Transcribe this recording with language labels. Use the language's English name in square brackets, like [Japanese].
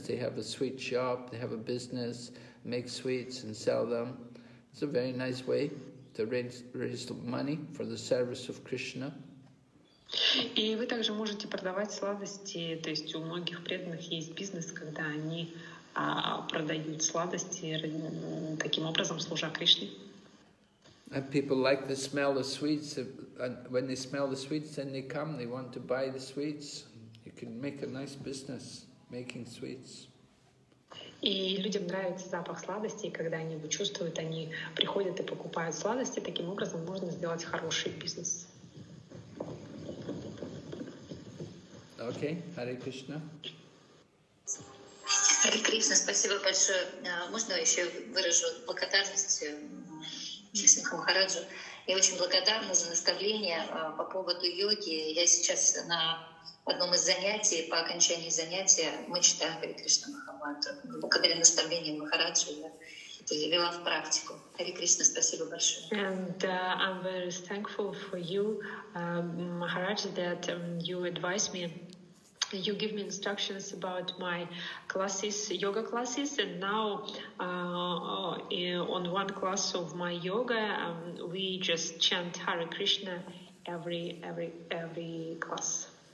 [English] They have a sweet shop, they have a business, make sweets and sell them. It's a very nice way to raise money for the service of Krishna. [Russian] И вы также можете продавать сладости, то есть у многих преданных есть бизнес, когда они продают сладости таким образом, служа Кришне. [English] And people like the smell of sweets, and when they smell the sweets, then they come, they want to buy the sweets. You can make a nice business making sweets. [Russian] И людям нравится запах сладостей, когда они его чувствуют, они приходят и покупают сладости, таким образом можно сделать хороший бизнес. Окей, Hare Krishna. Hare Krishna, спасибо большое. Можно я еще выражу благодарность Шисмиху Махараджу? Я очень благодарна за наставление по поводу йоги. Я сейчас на одном из занятий, по окончании занятия, мы читаем Hare Krishna Махамантру. Благодаря наставлению Махараджи я вела в практику. Hare Krishna, спасибо большое. [English] And I'm very thankful for you, Maharaj, that you advise me. You give me instructions about my classes, yoga classes, and now on one class of my yoga, we just chant Hare Krishna every class.